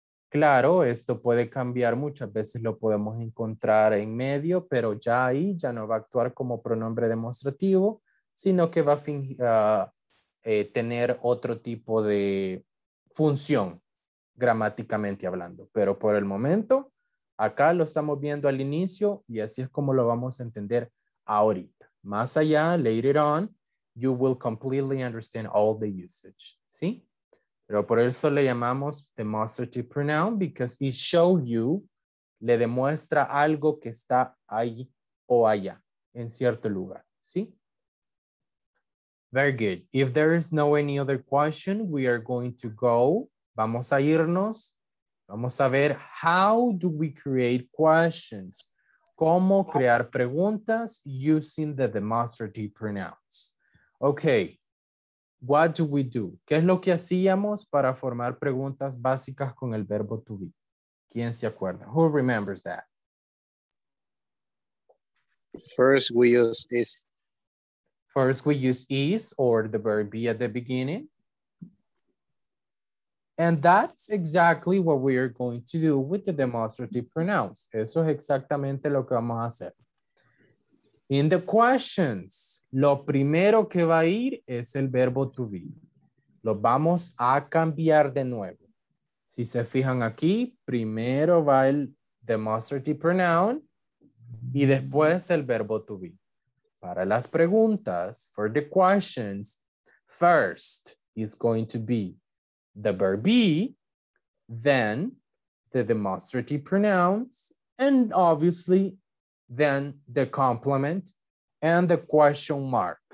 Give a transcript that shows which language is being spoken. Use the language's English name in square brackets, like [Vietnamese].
[Spanish] Claro, esto puede cambiar, muchas veces lo podemos encontrar en medio, pero ya ahí ya no va a actuar como pronombre demostrativo, sino que va a tener otro tipo de función, gramáticamente hablando. Pero por el momento, acá lo estamos viendo al inicio y así es como lo vamos a entender ahorita. [English] Más allá, later on, you will completely understand all the usage, ¿sí? [Spanish] Pero por eso le llamamos demonstrative pronoun, because it shows you, le demuestra algo que está ahí o allá, en cierto lugar, ¿sí? Very good. [English] If there is no any other question, we are going to go. [Spanish] Vamos a irnos. Vamos a ver how do we create questions. [English] ¿Cómo crear preguntas using the demonstrative pronouns? Okay. What do we do? [Spanish] ¿Qué es lo que hacíamos para formar preguntas básicas con el verbo to be? ¿Quién se acuerda? Who remembers that? [English] First we use is. First we use is or the verb be at the beginning. And that's exactly what we are going to do with the demonstrative pronouns. [Spanish] Eso es exactamente lo que vamos a hacer. In the questions, lo primero que va a ir es el verbo to be. Lo vamos a cambiar de nuevo. Si se fijan aquí, primero va el demonstrative pronoun y después el verbo to be. [English] Para las preguntas, for the questions, first is going to be the verb be, then the demonstrative pronouns, and obviously, then the complement and the question mark.